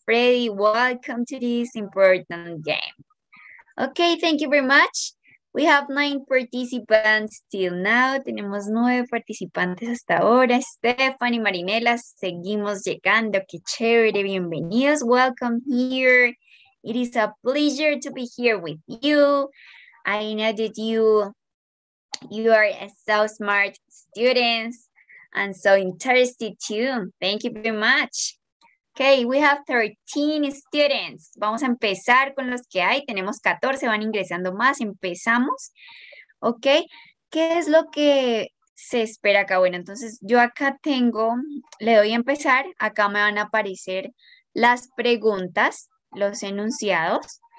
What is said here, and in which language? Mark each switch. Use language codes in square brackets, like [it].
[en] Freddy, welcome to this important game. Okay, thank you very much. We have 9 participants till now. [es] Tenemos 9 participantes hasta ahora. Stephanie, Marinela, seguimos llegando. Qué chévere, bienvenidos. [en] Welcome here. It is a pleasure to be here with you. I know that you are so smart students and so interested too. Thank you very much. Okay, we have 13 students. [es] Vamos a empezar con los que hay. Tenemos 14, van ingresando más. Empezamos. Okay, ¿qué es lo que se espera acá? Bueno, entonces yo acá tengo, le doy a empezar. Acá me van a aparecer las preguntas, los enunciados.